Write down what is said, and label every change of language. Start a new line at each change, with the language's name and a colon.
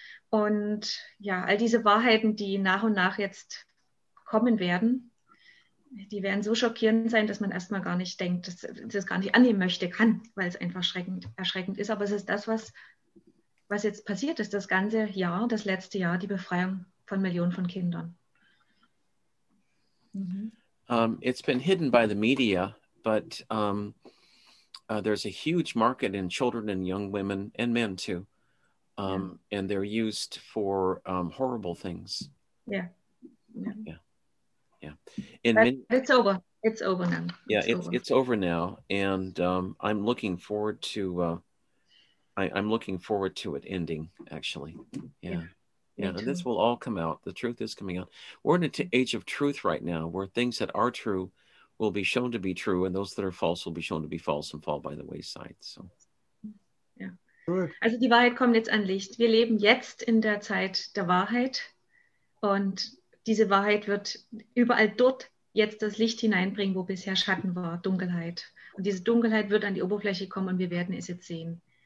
German: Und ja, all diese Wahrheiten, die nach und nach jetzt kommen werden, die werden so schockierend sein, dass man erstmal gar nicht denkt, dass es das gar nicht annehmen möchte, kann, weil es einfach erschreckend ist. Aber es ist das, was jetzt passiert ist, das ganze Jahr, das letzte Jahr, die Befreiung von Millionen von Kindern.
English: It's been hidden by the media, but there's a huge market in children and young women and men too. And they're used for horrible things. It's over. It's over now. It's over now. And I'm looking forward to I'm looking forward to it ending, actually. And this will all come out. The truth is coming out. We're in an age of truth right now, where things that are true will be shown to be true, and those that are false will be shown to be false and fall by the wayside. So,
German: Also die Wahrheit kommt jetzt an Licht. Wir leben jetzt in der Zeit der Wahrheit, und diese Wahrheit wird überall dort jetzt das Licht hineinbringen, wo bisher Schatten war, Dunkelheit. Und diese Dunkelheit wird an die Oberfläche kommen, und wir werden es jetzt sehen.